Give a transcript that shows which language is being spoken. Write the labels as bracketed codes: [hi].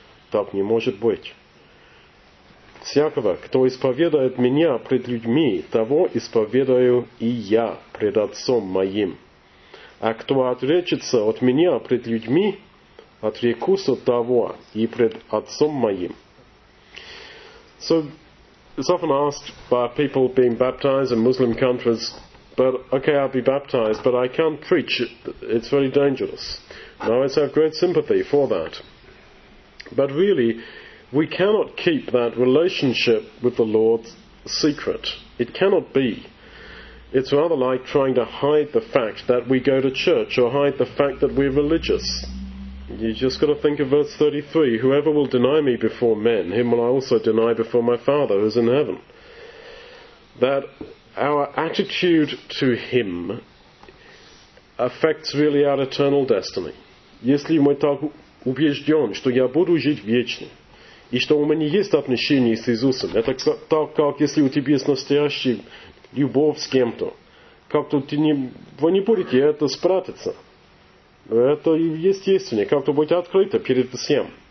[ru] Так не может быть. Всякого, кто исповедует меня пред людьми, того исповедую и я пред Отцом моим. А кто отречется от меня пред людьми, отрекусь от того и пред Отцом моим. [en] So, it's often asked by people being baptized in Muslim countries, but okay, I'll be baptized, but I can't preach. It's very dangerous. Now, I have great sympathy for that. But really, we cannot keep that relationship with the Lord secret. It cannot be. It's rather like trying to hide the fact that we go to church or hide the fact that we're religious. You just got to think of verse 33. Whoever will deny me before men, him will I also deny before my Father who is in heaven. That our attitude to him affects really our eternal destiny. [ru] Если мы так убежден, что я буду жить вечно, и что у меня есть отношение с Иисусом, это так, как если у тебя есть настоящая любовь с кем-то, как-то вы не будете это спрятаться. Это естественно, как-то быть открыто перед всем.